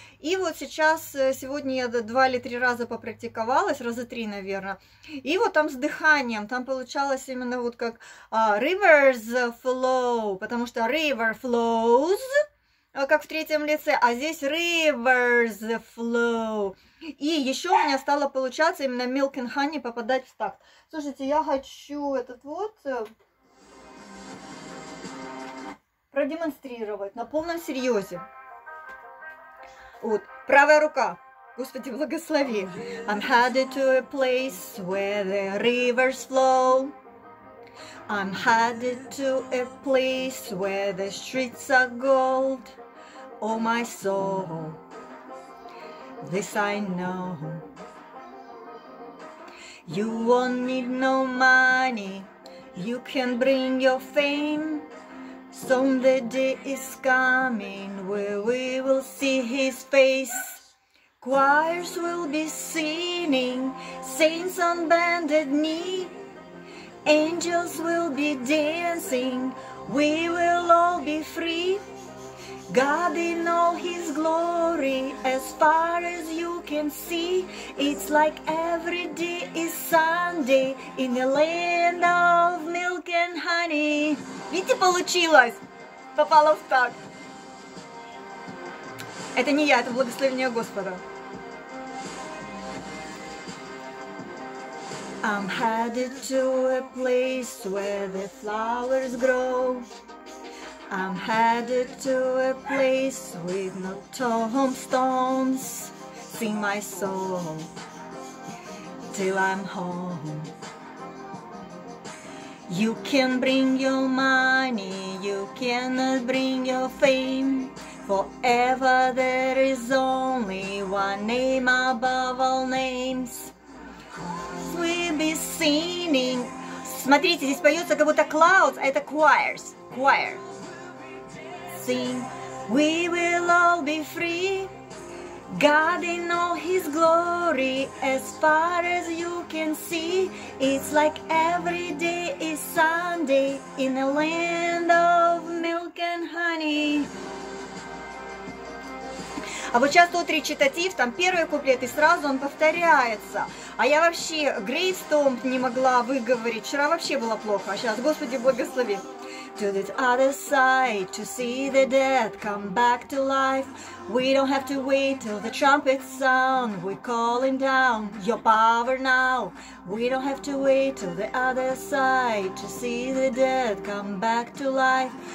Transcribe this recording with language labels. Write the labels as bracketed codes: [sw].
[ru] И вот сейчас, сегодня я два или три раза попрактиковалась, раза три, наверное. И вот там с дыханием, там получалось именно вот как [en] rivers flow, [ru] потому что [en] river flows, [ru] как в третьем лице, а здесь rivers flow. И еще у меня стало получаться именно [en] milk and honey [ru] попадать в такт. Слушайте, я хочу этот вот... продемонстрировать на полном серьезе. Вот, правая рука. Господи, благослови. [en] I'm headed to a place where the rivers flow. I'm headed to a place where the streets are gold. Oh my soul, this I know. You won't need no money, you can bring your fame. Soon the day is coming where we will see his face. Choirs will be singing, saints on bended knee. Angels will be dancing, we will all be free. God in all his glory, as far as you can see. It's like every day is Sunday in the land of milk and honey. [ru] Видите, получилось! Попала в такт. Это не я, это благословение Господа. [en] I'm headed to a place where the flowers grow. I'm headed to a place with no tombstones. Sing my soul till I'm home. You can bring your money, you cannot bring your fame. Forever there is only one name above all names. We'll be singing. [ru] Смотрите, здесь поется как будто clouds, а это choirs. [en] Choir. Sing. We will all be free. God in all his glory, as far as you can see, it's like every day is Sunday in the land of milk and honey. [ru] А вот сейчас тут речитатив, там первый куплет, и сразу он повторяется. А я вообще Грейс Томп не могла выговорить, вчера вообще было плохо, а сейчас, Господи, благослови. [en] To the other side, to see the dead come back to life. We don't have to wait till the trumpets sound. We're calling down your power now. We don't have to wait till the other side, to see the dead come back to life.